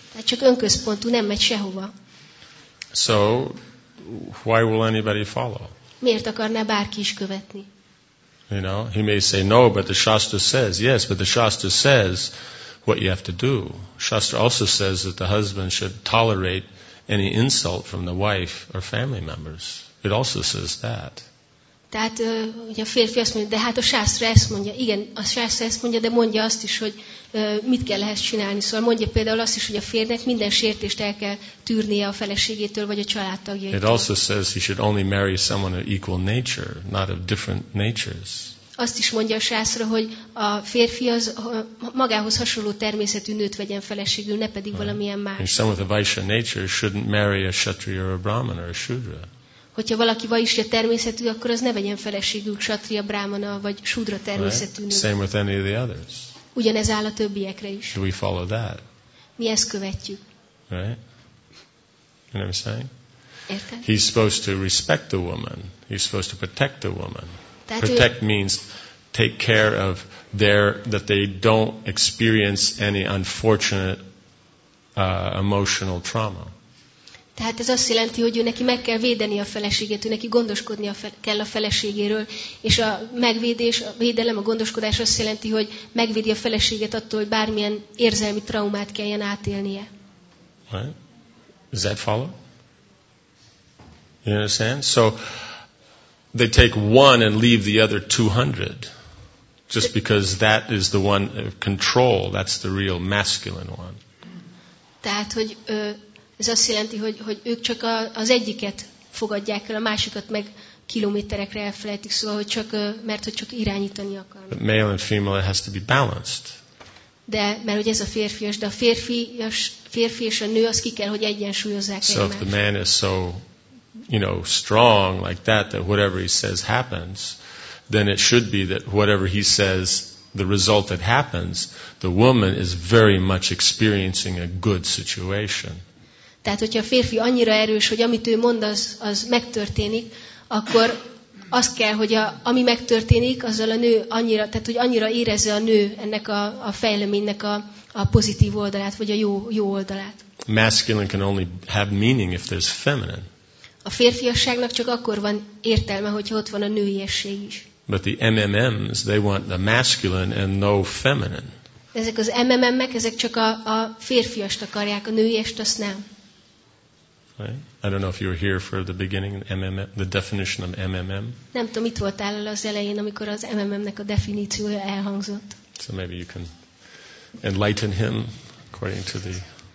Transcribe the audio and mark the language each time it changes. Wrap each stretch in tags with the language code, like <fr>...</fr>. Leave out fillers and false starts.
<hu>Tehát csak önközpontú, nem megy sehova.</hu> <en>So, why will anybody follow?</en> <hu>Miért akarná bárki is követni?</hu> <en>You know, he may say no, but the Shastra says, yes, but the Shastra says what you have to do. Shastra also says that the husband should tolerate any insult from the wife or family members. It also says that.</en> <hu>Tehát ugye a férfi azt mondja, de hát a sásztra ezt mondja. Igen, a sásztra ezt mondja, de mondja azt is, hogy mit kell ehhez csinálni. Szóval mondja például azt is, hogy a férnek minden sértést el kell tűrnie a feleségétől, vagy a családtagjaitól.</hu> <en>It also says he should only marry someone of equal nature, not of different natures.</en> <hu>Azt is mondja a sászra, hogy a férfi az magához hasonló természetű nőt vegyen feleségül, ne pedig valamilyen más.</hu> <en>And someone with a vaishya nature shouldn't marry a kshatriya or a brahmana or a shudra.</en> <hu>Hogyha valaki vaishya természetű, akkor az ne vegyen feleségül kshatriya, brahmana vagy shudra természetű nőt.</hu> <en>Same with any of the others.</en> <hu>Ugyanez áll a többiekre is.</hu> <en>Do we follow that?</en> <hu>Mi ezt követjük.</hu> <en>Right? You know what I'm saying?</en> <hu>Érted?</hu> <en>He's supposed to respect the woman. He's supposed to protect the woman. Protect means take care of their that they don't experience any unfortunate emotional trauma.</en> <hu>Tehát ez azt jelenti, hogy ő neki meg kell védeni a feleségét, ő neki gondoskodnia kell a feleségéről, és a megvédés, a védelem, a gondoskodás azt jelenti, hogy megvédi a feleséget attól, hogy bármilyen érzelmi traumát kelljen átélnie.</hu> <en>Right? Is that follow? You understand? So they take one and leave the other 200, just because that is the one of control, that's the real masculine one.</en> <hu>Tehát, hogy ez azt jelenti, hogy ők csak az egyiket fogadják el, a másikat meg kilométerekre elfelejtik, szóval, hogy csak, mert hogy csak irányítani akarnak.</hu> <en>But male and female has to be balanced.</en> <hu>De, mert hogy ez a férfias, de a férfi és a nő, az ki kell, hogy egyensúlyozzák egymást.</hu> <en>So if the man is so, you know, strong like that, that whatever he says happens, then it should be that whatever he says, the result that happens, the woman is very much experiencing a good situation.</en> <hu>Tehát, hogyha a férfi annyira erős, hogy amit ő mond, az megtörténik, akkor az kell, hogy ami megtörténik, azzal a nő annyira, tehát, hogy annyira érezze a nő ennek a fejleménynek a pozitív oldalát, vagy a jó oldalát.</hu> <en>Masculine can only have meaning if there's feminine.</en> <hu>A férfiasságnak csak akkor van értelme, hogyha ott van a nőiesség is.</hu> <en>But the MMMs, they want the masculine and no feminine.</en> <hu>Ezek az MMM-ek, ezek csak a férfiast akarják, a nőiest azt nem.</hu> <en>Right? I don't know if you were here for the beginning, MMM, the definition of MMM.</en> <hu>Nem tudom, itt voltál az elején, amikor az MMM-nek a definíciója elhangzott.</hu> <en>So maybe you can enlighten him according to the...</en>